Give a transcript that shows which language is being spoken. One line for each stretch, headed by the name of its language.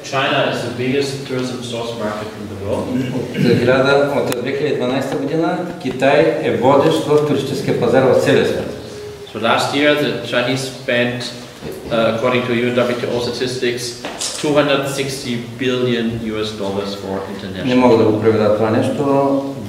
English: China is the biggest tourism source market in the world.
Bulgarian: От 2012 година Китай е водещ в туристическия пазар в целия свят.
English: So last year the Chinese spent, according to UNWTO statistics, $260 billion for international.
Bulgarian: Не мога да го преведа това нещо.